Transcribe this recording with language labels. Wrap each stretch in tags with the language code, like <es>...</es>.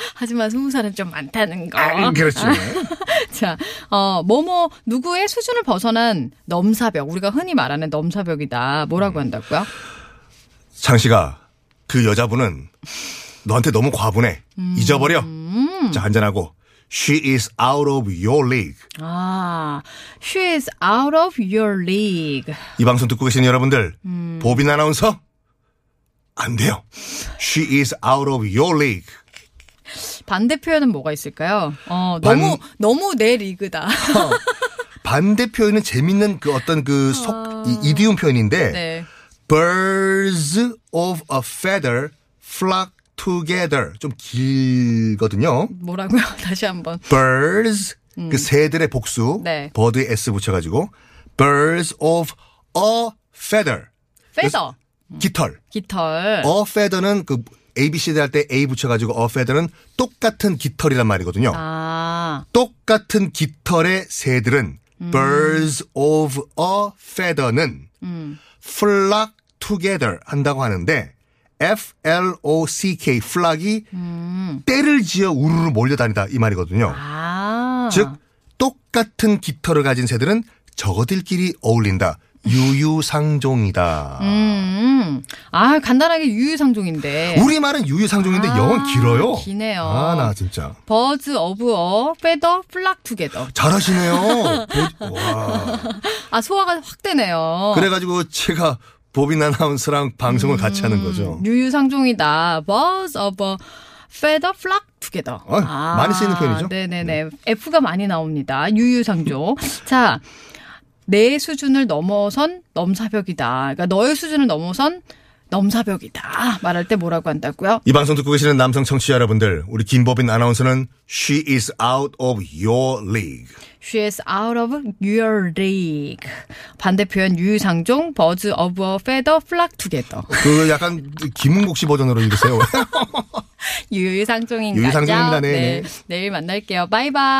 <ko>하지만 20살은 좀 많다는 거. 그렇죠. 자, 누구의 수준을 벗어난 넘사벽. 우리가 흔히 말하는 넘사벽이다. 뭐라고 한다고요? 장씨가, 그 여자분은 너한테 너무 과분해. 잊어버려. 자, 한잔하고</ko> <en>She is out of your league. 아, she is out of your league.</en> <ko>이 방송 듣고 계신 여러분들, 보빈 아나운서? 안 돼요.</ko> <en>She is out of your league.</en> <ko>반대 표현은 뭐가 있을까요? 너무 내 리그다. 반대 표현은 재밌는 그 어떤 그 이디움 표현인데, 네.</ko> <en>Birds of a feather flock together.</en> <ko>좀 길거든요. 뭐라고요? 다시 한번. Birds, 그 새들의 복수. 네. Bird의 S 붙여가지고.</ko> <en>Birds of a feather. Feather.</en> <ko>깃털. 깃털. A feather는 그 ABCD 할 때 A 붙여가지고 a feather는 똑같은 깃털이란 말이거든요. 아. 똑같은 깃털의 새들은</ko> <en>birds of a feather</en> <ko>는 flock together 한다고 하는데 F-L-O-C-K, flock이 떼를 지어 우르르 몰려다니다 이 말이거든요. 아. 즉 똑같은 깃털을 가진 새들은 저것들끼리 어울린다. 유유상종이다. 아, 간단하게 유유상종인데. 우리말은 유유상종인데 영어 길어요. 기네요. 아, 나 진짜.</ko> <en>Birds of a feather flock together.</en> <ko>잘하시네요. 아, 소화가 확 되네요. 그래가지고 제가 보빈 아나운서랑 방송을 같이 하는 거죠. 유유상종이다.</ko> <en>Birds of a feather flock together.</en> <ko>많이 쓰이는 표현이죠. 네네네. 네. F가 많이 나옵니다. 유유상종. 자. 내 수준을 넘어선 넘사벽이다. 그러니까 너의 수준을 넘어선 넘사벽이다. 말할 때 뭐라고 한다고요? 이 방송 듣고 계시는 남성 청취자 여러분들, 우리 김보빈 아나운서는</ko> <en>She is out of your league. She is out of your league.</en> <ko>반대 표현 유유상종,</ko> <en>birds of a feather flock together.</en> <ko>그 약간 김은국 씨 버전으로 읽으세요. 유유상종인가요? 유유상종입니다. 네. 내일 만날게요. 바이바이.</ko>